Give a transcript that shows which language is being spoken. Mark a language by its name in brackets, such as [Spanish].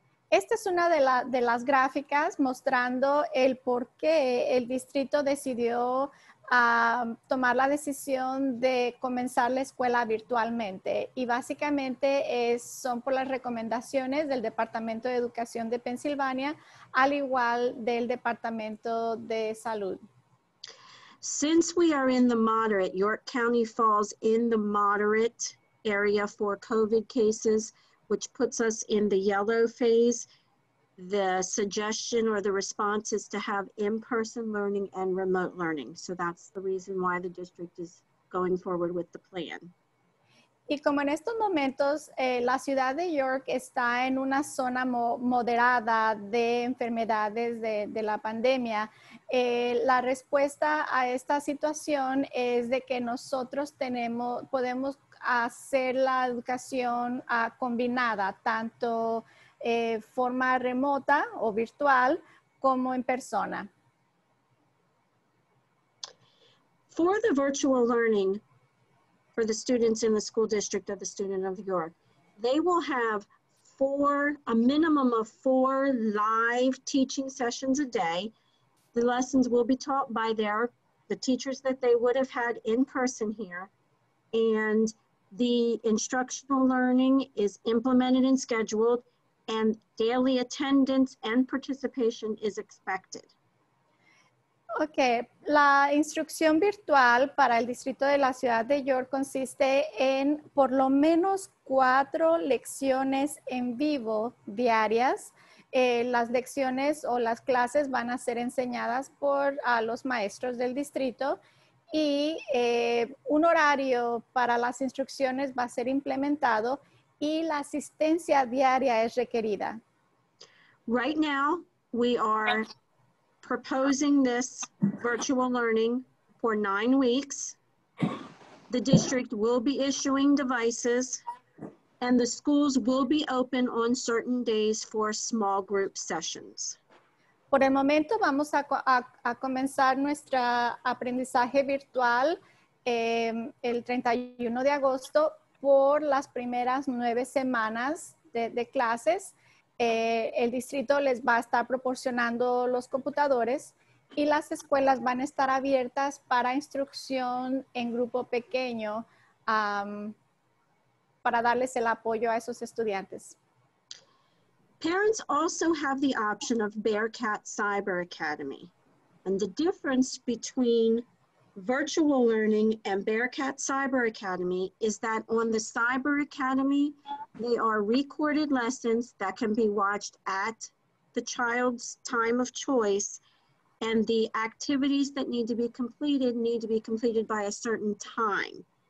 [Spanish] Esta es una de las gráficas mostrando el por qué el distrito decidió tomar la decisión de comenzar la escuela virtualmente. Y básicamente es, son por las recomendaciones del Departamento de Educación de Pensilvania, al igual del Departamento de Salud. [English] Since we are in the moderate, York County falls in the moderate area for COVID cases, which puts us in the yellow phase. The suggestion or the response is to have in-person learning and remote learning. So that's the reason why the district is going forward with the plan. [Spanish] Y como en estos momentos, la ciudad de York está en una zona moderada de enfermedades de la pandemia, la respuesta a esta situación es de que nosotros tenemos, podemos hacer la educación combinada, tanto forma remota o virtual, como en persona. [English] For the virtual learning, for the students in the school district of the Student of York, they will have a minimum of four live teaching sessions a day. The lessons will be taught by the teachers that they would have had in person here. And the instructional learning is implemented and scheduled, and daily attendance and participation is expected. [Spanish] Ok, la instrucción virtual para el distrito de la ciudad de York consiste en por lo menos 4 lecciones en vivo diarias. Las lecciones o las clases van a ser enseñadas por los maestros del distrito y un horario para las instrucciones va a ser implementado y la asistencia diaria es requerida. [English] Right now, we are proposing this virtual learning for 9 weeks. The district will be issuing devices and the schools will be open on certain days for small group sessions. [Spanish] Por el momento vamos a comenzar nuestro aprendizaje virtual el 31 de agosto por las primeras 9 semanas de clases. El distrito les va a estar proporcionando los computadores y las escuelas van a estar abiertas para instrucción en grupo pequeño para darles el apoyo a esos estudiantes. [English] Parents also have the option of Bearcat Cyber Academy. And the difference between virtual learning and Bearcat Cyber Academy is that on the Cyber Academy, they are recorded lessons that can be watched at the child's time of choice, and the activities that need to be completed by a certain time.